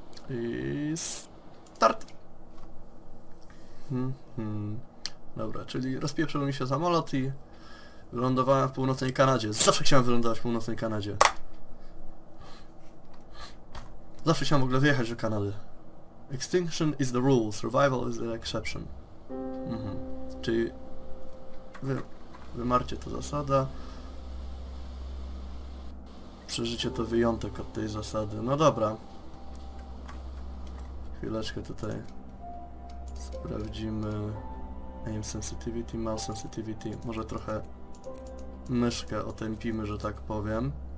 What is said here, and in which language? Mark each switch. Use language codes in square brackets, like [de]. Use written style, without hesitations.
[en] I start. [pl] Dobra, czyli rozpieprzył mi się samolot i wylądowałem w północnej Kanadzie. Zawsze chciałem wylądować w północnej Kanadzie. Zawsze chciałem w ogóle wyjechać do Kanady. [en] Extinction is the rule, survival is the exception. [pl] Czyli wymarcie to zasada. Przeżycie to wyjątek od tej zasady. No dobra. Chwileczkę tutaj sprawdzimy. [en] Aim sensitivity, mouse sensitivity. [pl] Może trochę myszkę otępimy, że tak powiem.